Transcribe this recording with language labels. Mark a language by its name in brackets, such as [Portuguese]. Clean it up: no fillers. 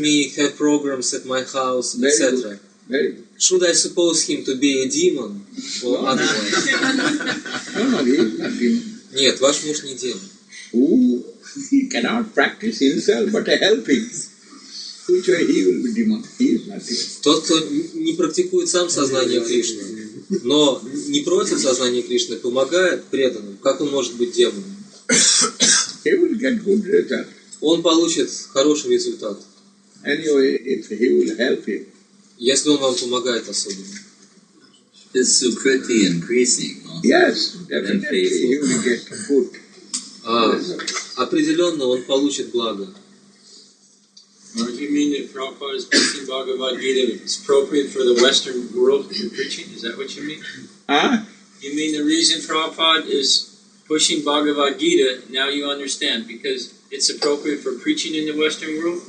[English] Me have programs at my house, Very etc. Good. Very good. Should I suppose him to be a demon or no, otherwise? No, he is not demon. [Russian] Нет, ваш муж не демон. [English] Ooh, he cannot practice himself but a helping. Which way he will be demon. He is not demon. [Russian] Тот, кто не практикует сам сознание Кришны. Но не против сознания Кришны, помогает преданным. Как он может быть демоном? [English] He will get good result. [Russian] Он получит хороший результат. [English] Anyway, if he will help him. [Russian] Если он вам помогает особенно. [English] Is Sukriti increasing? Yes, definitely. He will get good. [Russian] Определенно он получит благо. [English] Do you mean that Prabhupada is preaching Bhagavad Gita is appropriate for the Western world to be preaching? Is that what you mean? Huh? You mean the reason Prabhupada is pushing Bhagavad Gita, now you understand, because it's appropriate for preaching in the Western world?